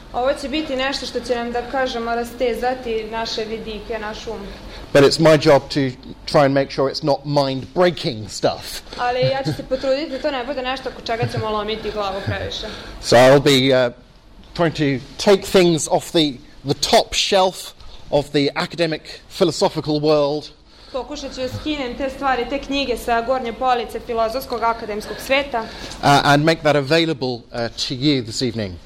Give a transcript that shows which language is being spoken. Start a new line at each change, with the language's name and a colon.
Serbian: Ovo će biti nešto što će nam da kažemo rastezati naše vidike, naš um.
English: But it's my job to try and make sure it's not mind-breaking stuff.
Serbian: Ali ja ću se potruditi da to ne bude nešto oko čega ćemo lomiti glavu previše.
English: So I'll be trying to take things off the top shelf of the academic philosophical world.
Serbian: Pokušat ću skinem te stvari, te knjige sa gornje police filozofskog akademskog sveta.
English: And make that available to you this evening.